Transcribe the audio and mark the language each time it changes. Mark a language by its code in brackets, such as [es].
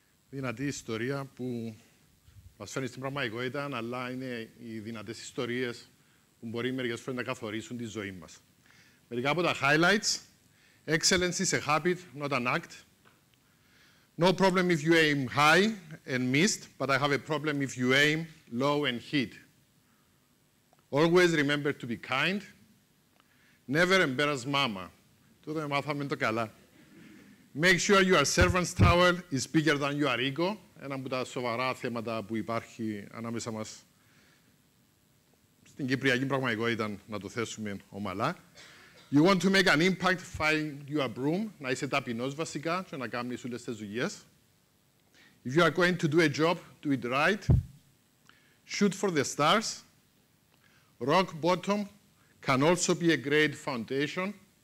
[el] Δυνατή ιστορία που μας φέρνει στην πραγματικότητα, αλλά είναι οι δυνατές ιστορίες που μπορεί μερικές φορές να καθορίσουν τη ζωή μας. Μερικά από τα highlights. [en] Excellence is a habit, not an act. No problem if you aim high and missed, but I have a problem if you aim low and hit. Always remember to be kind. Never embarrass mama. [el] Τότε μάθαμε το καλά. [en] Make sure your servant's towel is bigger than your ego. [el] Ένα από τα σοβαρά θέματα που υπάρχει ανάμεσα μας στην Κυπριακή πραγματικότητα, να το θέσουμε ομαλά. [en] You want to make an impact, find your broom. [el] Να είσαι ταπεινός βασικά και να κάνεις όλες τις δουλειές. [en] If you are going to do a job, do it right. Shoot for the stars. Rock bottom can also be a great foundation.